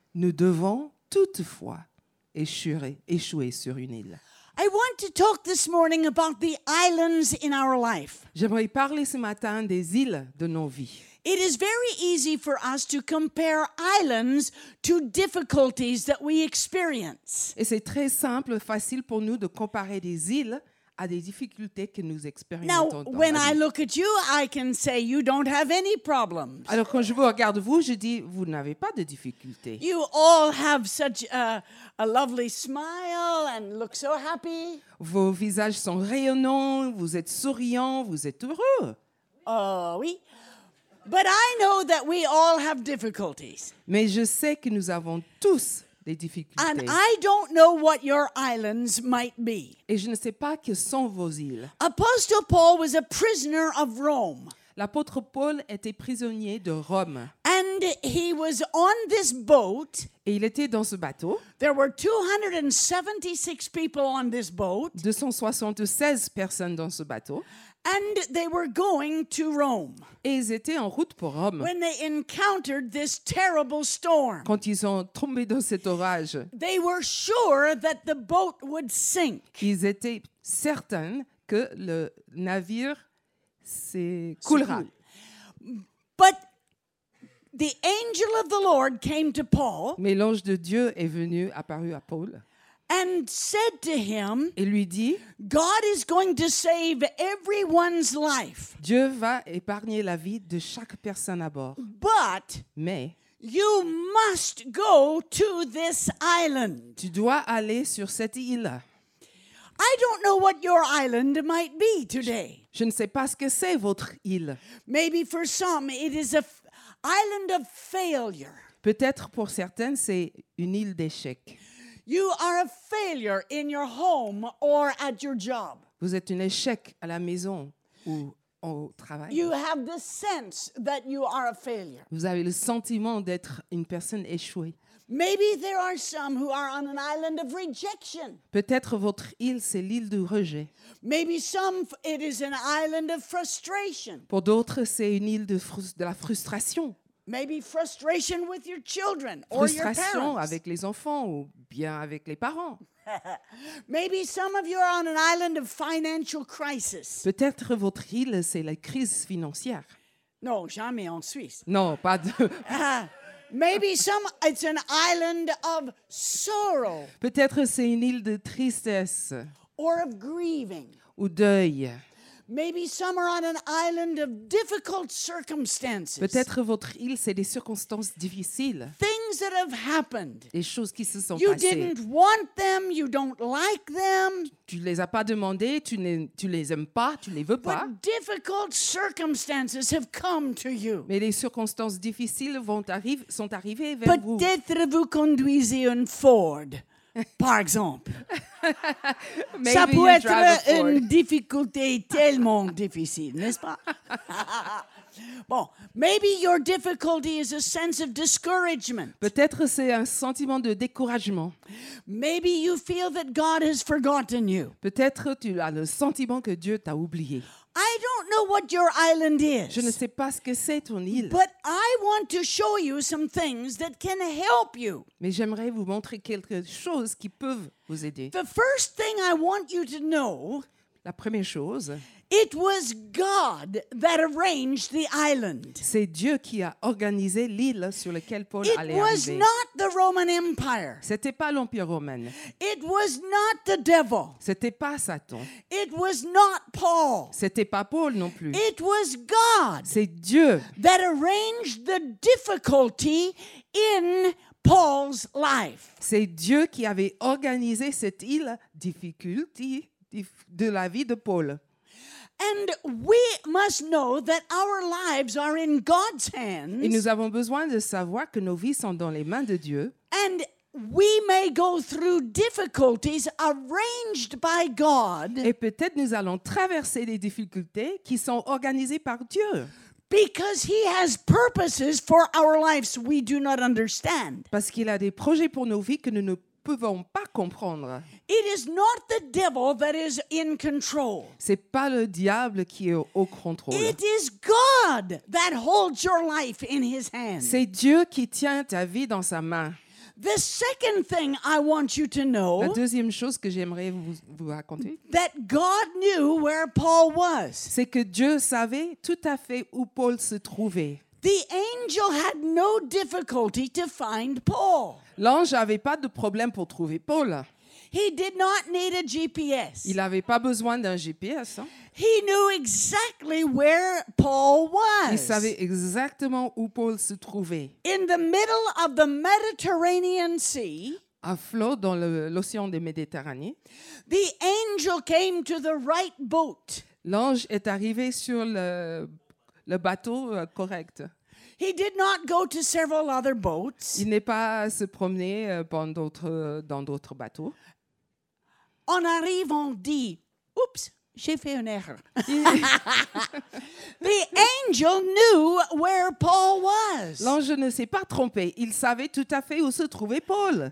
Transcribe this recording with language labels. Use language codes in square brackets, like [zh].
[fr] Nous devons toutefois échouer sur une île. [en] I want to talk this morning about the islands in our life. [fr] J'aimerais parler ce matin des îles de nos vies. [en] It is very easy for us to compare islands to difficulties that we experience. [fr] Et c'est très simple, facile pour nous de comparer des îles à des difficultés que nous expérimentons. [en] Now, when I look at you, I can say you don't have any problems. [fr] Alors quand je vous regarde vous, je dis vous n'avez pas de difficultés. [en] You all have such a lovely smile and look so happy. [fr] Vos visages sont rayonnants, vous êtes souriants, vous êtes heureux. Oh oui. [en] But I know that we all have difficulties. [fr] Mais je sais que nous avons tous des difficultés. [en] And I don't know what your islands might be. [fr] Et je ne sais pas quelles sont vos îles. [en] Apostle Paul was a prisoner of Rome. [fr] L'apôtre Paul était prisonnier de Rome. [en] And he was on this boat. [fr] Et il était dans ce bateau. [en] There were 276 people on this boat. [fr] 276 personnes dans ce bateau. [en] And they were going to Rome. [fr] Et ils étaient en route pour Rome. [en] When they encountered this terrible storm. [fr] Quand ils sont tombés dans cet orage. [en] They were sure that the boat would sink. [fr] Ils étaient certains que le navire s'écoulera. [en] But the angel of the Lord came to Paul. [fr] Mais l'ange de Dieu est venu apparu à Paul. [en] And said to him, [fr] et lui dit, [en] God is going to save everyone's life. [fr] Dieu va épargner la vie de chaque personne à bord. [en] But [fr] mais, [en] you must go to this island. [fr] Tu dois aller sur cette île. [en] I don't know what your island might be today. [fr] Je ne sais pas ce que c'est votre île. [en] Maybe for some it is a island of failure. [fr] Peut-être pour certains c'est une île d'échec. [en] You are a failure in your home or at your job. [fr] Vous êtes un échec à la maison ou au travail. [en] You have the sense that you are a failure. [fr] Vous avez le sentiment d'être une personne échouée. [en] Maybe there are some who are on an island of rejection. [fr] Peut-être votre île c'est l'île du rejet. [en] Maybe some it is an island of frustration. [fr] Pour d'autres c'est une île de la frustration. [en] Maybe frustration with your children or your parents. [fr] Frustration avec les enfants ou bien avec les parents. [en] Maybe some of you are on an island of financial crisis. [fr] Peut-être votre île c'est la crise financière. Non, jamais en Suisse. Non, pas de. [en] Maybe some it's an island of sorrow. [fr] Peut-être c'est une île de tristesse. [en] Or of grieving. [fr] Ou deuil. [en] Maybe some are on an island of difficult circumstances. [fr] Peut-être votre île c'est des circonstances difficiles. [en] Things that have happened. [fr] Des choses qui se sont passées. [en] You didn't want them, you don't like them. [fr] Tu les as pas demandé, tu les aimes pas, tu les veux pas. [en] But difficult circumstances have come to you. [fr] Mais les circonstances difficiles sont arrivées vers vous. Peut-être vous conduisez une Ford. Par exemple, [en] maybe [fr] ça peut être une difficulté tellement difficile, n'est-ce pas? [en] Bon, maybe your difficulty is a sense of discouragement. [fr] Peut-être c'est un sentiment de découragement. [en] Maybe you feel that God has forgotten you. [fr] Peut-être tu as le sentiment que Dieu t'a oublié. [en] I don't know what your island is. [fr] Je ne sais pas ce que c'est ton île. [en] But I want to show you some things that can help you. [fr] Mais j'aimerais vous montrer quelques choses qui peuvent vous aider. [en] The first thing I want you to know. [fr] La première chose. [en] It was God that arranged the island. [fr] C'est Dieu qui a organisé l'île sur laquelle Paul allait arriver. [en] It was not the Roman Empire. [fr] C'était pas l'Empire romain. [en] It was not the devil. [fr] C'était pas Satan. [en] It was not Paul. [fr] C'était pas Paul non plus. [en] It was God. [fr] C'est Dieu. [en] That arranged the difficulty in Paul's life. [fr] C'est Dieu qui avait organisé cette île difficulté de la vie de Paul. [en] And we must know that our lives are in God's hands. [fr] Et nous avons besoin de savoir que nos vies sont dans les mains de Dieu. [en] And we may go through difficulties arranged by God. [fr] Et peut-être nous allons traverser des difficultés qui sont organisées par Dieu. [en] Because he has purposes for our lives we do not understand. [fr] Parce qu'il a des projets pour nos vies que nous ne pouvons pas comprendre. [en] It is not the devil that is in control. [fr] C'est pas le diable qui est au contrôle. [en] It is God that holds your life in his hand. [fr] C'est Dieu qui tient ta vie dans sa main. [en] The second thing I want you to know. [fr] La deuxième chose que j'aimerais vous raconter. [en] That God knew where Paul was. [fr] C'est que Dieu savait tout à fait où Paul se trouvait. [en] The angel had no difficulty to find Paul. [fr] L'ange n'avait pas de problème pour trouver Paul. [en] He did not need a GPS. [fr] Il n'avait pas besoin d'un GPS. Hein? [en] He knew exactly where Paul was. [fr] Il savait exactement où Paul se trouvait. [en] In the middle of the Mediterranean Sea. [fr] À flot dans l'océan des Méditerranées. [en] The angel came to the right boat. [fr] L'ange est arrivé sur le bateau correct. [en] He did not go to several other boats. [fr] Il n'est pas se promener dans d'autres bateaux. On arrive, on dit, oups, j'ai fait une erreur. [en] The angel knew where Paul was. [fr] L'ange ne s'est pas trompé. Il savait tout à fait où se trouvait Paul.